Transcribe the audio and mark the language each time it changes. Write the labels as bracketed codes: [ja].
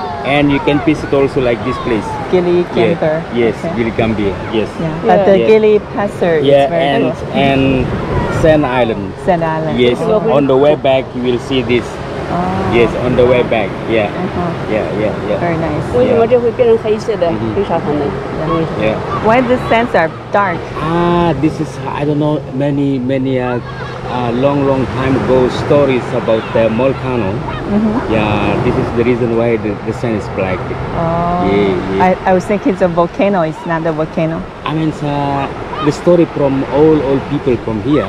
[en] and you can visit also like this place. Gili Camper. Yeah. Yes, okay. Gili Gambia. Yes. Yeah. But the Gili Passer yeah, is very and, cool. And Sand Island. Sand Island. Yes, okay. On the way back you will see this. Oh. Yes, on the way back. Yeah. Uh-huh. Yeah. Very nice. [zh] 为什么这会变成黑色的黑沙滩呢？ [en] Yeah. Why the sands are dark? This is I don't know many long time ago stories about the volcano. Mm-hmm. Yeah, this is the reason why the sand is black. Oh. Yeah. I was thinking it's a volcano. It's not a volcano. I mean, the story from all people from here.